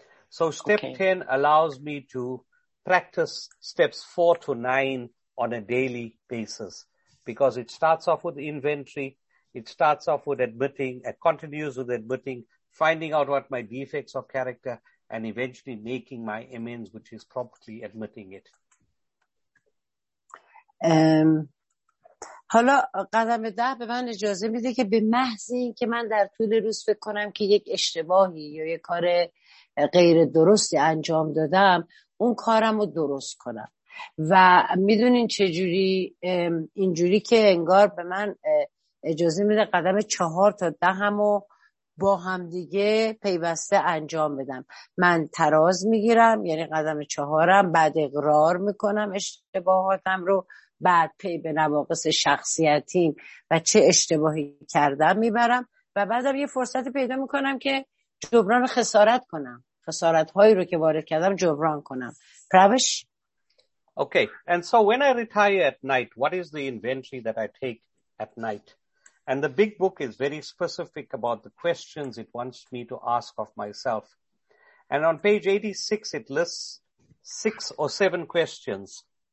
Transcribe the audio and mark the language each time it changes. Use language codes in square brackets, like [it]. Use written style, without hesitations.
[en] So step 10 allows me to practice steps 4 to 9 on a daily basis, because it starts off with inventory. It starts off with admitting, it continues with admitting, finding out what my defects of character, and eventually making my amends, which is promptly admitting it. [fa] حالا قدم ده به من اجازه میده که به محض این که من در طول روز فکر کنم که یک اشتباهی یا یک کار غیر درستی انجام دادم، اون کارم رو درست کنم. و میدونین چجوری؟ اینجوری که انگار به من اجازه میده قدم 4 تا 10 رو با همدیگه پیوسته انجام بدم. من تراز میگیرم، یعنی قدم 4، بعد اقرار میکنم اشتباهاتم رو، بعد پی به نواقص شخصیتیم و چه اشتباهی کردم میبرم، و بعدم یه فرصت پیدا میکنم که جبران خسارت کنم، خسارت هایی رو که وارد کردم جبران کنم. پروش. [en] Okay. And so when I retire at night, what is the inventory that I take at night? And the big book is very specific about the questions it wants me to ask of myself. And on page 86, it lists 6 or 7 questions.